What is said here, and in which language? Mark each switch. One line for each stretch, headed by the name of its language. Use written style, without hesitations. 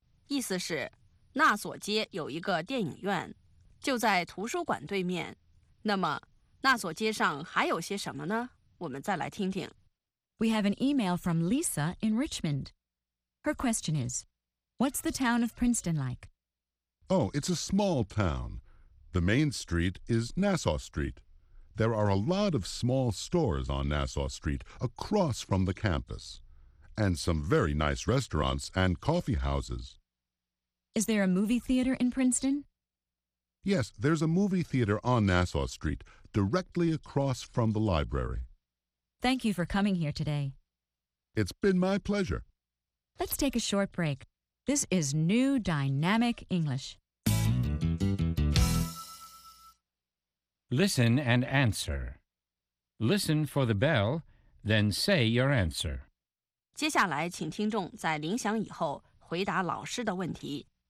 Chinese: 意思是，纳索街有一个电影院，就在图书馆对面。那么，纳索街上还有些什么呢？我们再来听听。
English: We have an email from Lisa in Richmond. Her question is, what's the town of Princeton like? Oh, it's a small town. The main street is Nassau Street. There are a lot of small stores on Nassau Street across from the campus, and some very nice restaurants and coffee houses. Is there a movie theater in Princeton? Yes, there's a movie theater on Nassau Street, directly across from the library. Thank you for coming here today. It's been my pleasure. Let's take a short break. This is New Dynamic English. Listen and answer. Listen for the bell, then say your answer.
Chinese: 接下来请听众在铃响以后回答老师的问题。